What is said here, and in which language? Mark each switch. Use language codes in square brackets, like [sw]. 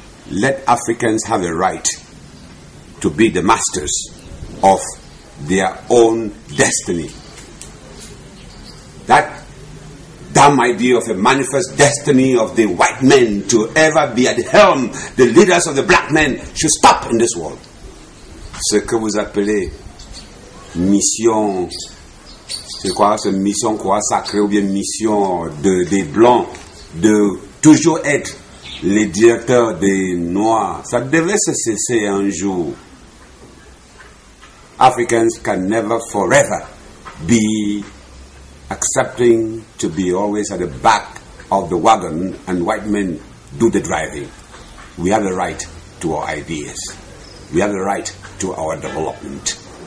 [en] Let Africans have a right to be the masters of their own destiny. That damn idea of a manifest destiny of the white men to ever be at the helm, the leaders of the black men, should stop in this world. [fr] Ce que vous appelez mission, c'est quoi, c'est mission quoi, sacrée ou bien mission des blancs, de toujours être les directeurs des noirs, ça devait se cesser un jour. [en] Africans can never forever be accepting to be always at the back of the wagon and white men do the driving. We have a right to our ideas. We have a right to our development.